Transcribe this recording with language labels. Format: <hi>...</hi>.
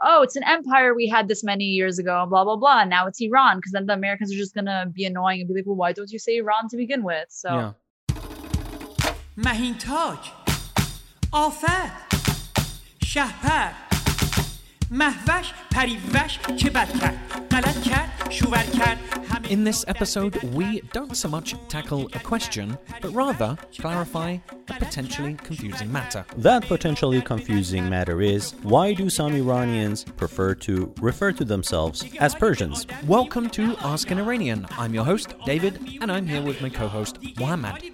<en>Oh, it's an empire we had this many years ago, blah, blah, blah. Now it's Iran, because then the Americans are just gonna be annoying and be like, well, why don't you say Iran to begin with? So. Yeah.</en> <fa>مهین تاج آفت شهپر مهوش پریوش چه بد کرد غلط کرد شوور کرد.</fa> <en>In this episode, we don't so much tackle a question, but rather clarify a potentially confusing matter. That potentially confusing matter is, why do some Iranians prefer to refer to themselves as Persians? Welcome to Ask an Iranian. I'm your host, David, and I'm here with my co-host, Mohammad.</en>